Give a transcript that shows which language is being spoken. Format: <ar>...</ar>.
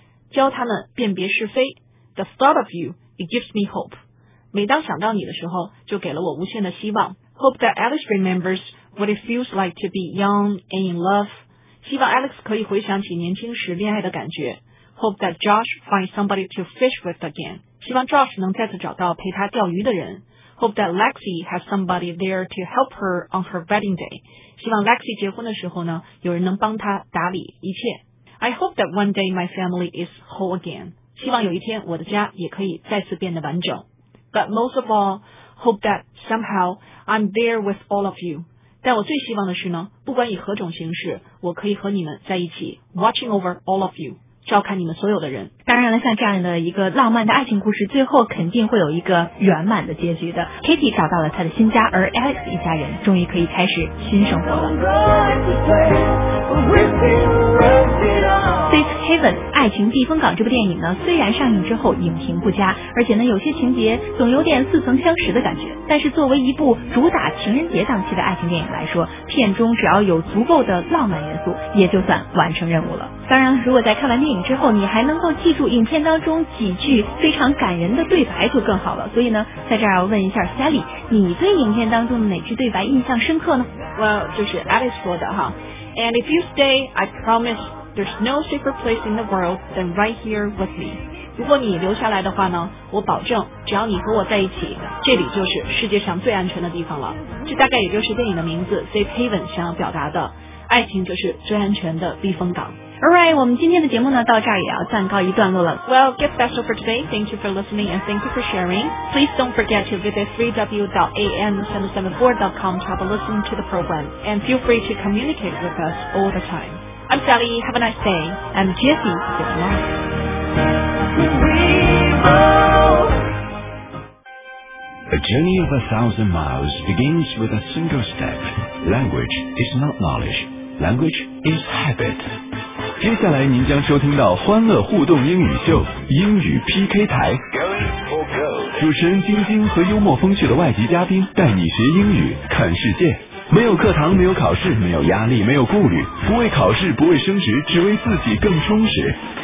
<zh>教他们辨别是非</zh> <en>,the thought of you, it gives me hope,</en> <zh>每当想到你的时候就给了我无限的希望</zh> <en>,hope that Alex remembers what it feels like to be young and in love,</en> <zh>希望 Alex 可以回想起年轻时恋爱的感觉</zh> <en>,hope that Josh finds somebody to fish with again,</en> <zh>希望 Josh 能再次找到陪他钓鱼的人。</zh> <en>Hope that Lexi has somebody there to help her on her wedding day.</en> <zh>希望 Lexi 结婚的时候呢，有人能帮她打理一切。</zh> <en>I hope that one day my family is whole again.</en> <zh>希望有一天我的家也可以再次变得完整。</zh> <en>But most of all, hope that somehow I'm there with all of you.</en> <zh>但我最希望的是呢，不管以何种形式，我可以和你们在一起 ,</zh> <en>watching over all of you.</en> <zh>照看你们所有的人。当然了，像这样的一个浪漫的爱情故事，最后肯定会有一个圆满的结局的。 Katie 找到了她的新家，而 Alex 一家人终于可以开始新生活了。 Safe Haven 爱情避风港这部电影呢，虽然上映之后影评不佳，而且呢有些情节总有点似曾相识的感觉，但是作为一部主打情人节档期的爱情电影来说，片中只要有足够的浪漫元素，也就算完成任务了。当然，如果在看完电影之后，你还能够记住影片当中几句非常感人的对白就更好了。所以呢，在这儿要问一下 Sally， 你对影片当中的哪句对白印象深刻呢？ Well， 就是 Alex 说的哈。</zh> <en>And if you stay, I promise there's no safer place in the world than right here with me。</en> <zh>如果你留下来的话呢，我保证，只要你和我在一起，这里就是世界上最安全的地方了。这大概也就是电影的名字 Safe Haven 想要表达的，爱情就是最安全的避风港。 Alright, 我们今天的节目呢到这儿也要暂告一段落了。</zh> <en>Well, get special for today. Thank you for listening and thank you for sharing. Please don't forget to visit www.an774.com to have a listen to the program. And feel free to communicate with us all the time. I'm Sally, have a nice day. I'm Jessie, good night. A journey of 1,000 miles begins with a single step. Language is not knowledge. Language is habit.</en> <zh>接下来您将收听到欢乐互动英语秀英语 PK 台，主持人晶晶和幽默风趣的外籍嘉宾带你学英语看世界，没有课堂，没有考试，没有压力，没有顾虑，不为考试，不为升职，只为自己更充实。</zh>